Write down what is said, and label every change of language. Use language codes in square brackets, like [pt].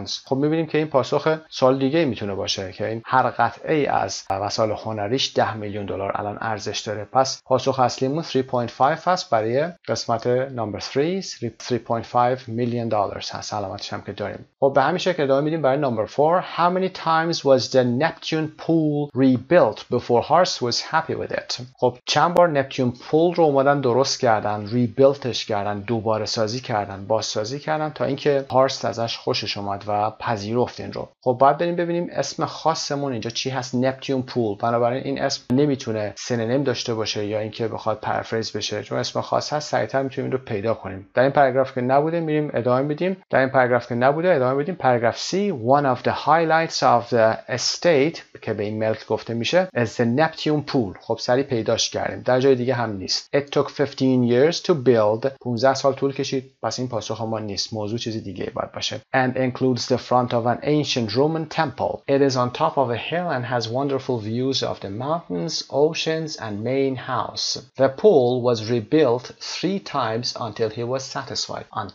[fa] خب میبینیم که این پاسخ سال دیگه میتونه باشه که این هر قطعه ای از وسایل هنریش $10 million الان ارزش داره. پس پاسخ اصلیمون 3.5 هست برای قسمت نمبر 3. 3.5 [en] million dollars [fa] هست علامتش هم که داریم. خب به همین شکل ادامه میدیم برای نمبر 4. [en] How many times was the Neptune pool built before Horst was happy with it. [fa] خب چند بار نپتون پول رو اومدن درست کردن، ریبیلتش کردن، دوباره سازی کردن، بازسازی کردن تا اینکه هارست ازش خوشش اومد و پذیرفت این رو. خب بعد بریم ببینیم اسم خاصمون اینجا چی هست. نپتون پول. بنابراین این اسم نمیتونه سینونیم داشته باشه یا اینکه بخواد پرفریز بشه، چون اسم خاص هست. سریعتر میتونیم این رو پیدا کنیم. در این پاراگراف که نبوده میریم ادامه میدیم. در این پاراگراف که نبوده ادامه میدیم. پاراگراف C. [en] One of the highlights of the estate [fa] که به این ملک گفته میشه از [en] the Neptune pool. [fa] خب سریع پیداش کردیم، در جای دیگه هم نیست. [en] It took 15 years to build. [fa] 15 سال طول کشید. پس این پاسخ ما نیست، موضوع چیزی دیگه باید باشه. [en] And includes the front of an ancient Roman temple. It is on top of a hill and has wonderful views of the mountains, oceans and main house. The pool was rebuilt 3 times until he was satisfied.